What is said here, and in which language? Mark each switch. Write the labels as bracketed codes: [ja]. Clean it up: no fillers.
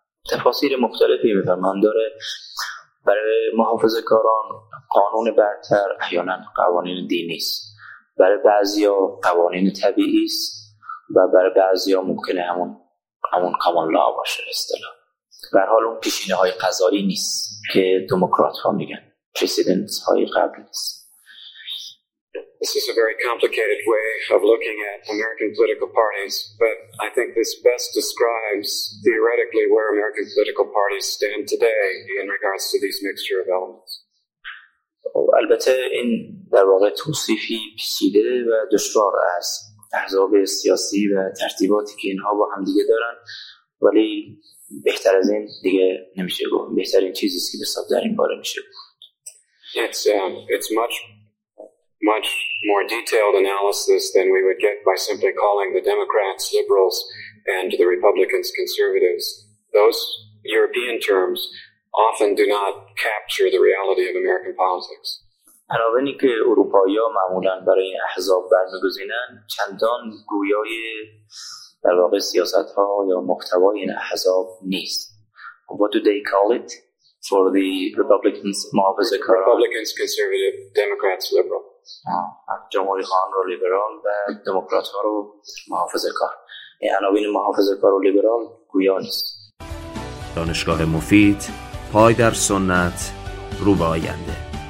[fa] تفاصیل مختلفی می‌فرمان داره. برای محافظه‌کاران قانون برتر احیاناً قوانین دینی است. برای بعضیا قوانین طبیعی است و برای بعضیا ممکنه همون common law باشه اصطلاح. به هر حال اون پیشینه‌های قضایی نیست که دموکرات‌ها میگن. Precedence های قبلی است. [en] This is a very complicated way of looking at American political parties, but I think this best describes theoretically where American political parties stand today in regards to these mixture of elements. [fa] البته این در واقع توصیفی پیچیده و دشوار از احزاب سیاسی و ترتیباتی که اینها با هم دیگه دارن، ولی بهتر از این دیگه نمیشه گفت. بهترین چیزی است که به حساب در این باره میشه گفت. [en] It's much more detailed analysis than we would get by simply calling the Democrats liberals and the Republicans conservatives. Those European terms often do not capture the reality of American politics. [fa] عناوینی که اروپایی‌ها معمولاً برای این احزاب برمی‌گزینند چندان گویای در واقع سیاست‌ها یا محتوای این احزاب نیست. [en] What do they call it for the Republicans? Republicans, conservative, Democrats, liberal. [fa] جمهوری‌خواهان رو لیبرال و دموکرات‌ها رو محافظه‌کار. این عناوین محافظه‌کار و لیبرال گویا نیست. دانشگاه مفید، پای در سنت، رو به آینده.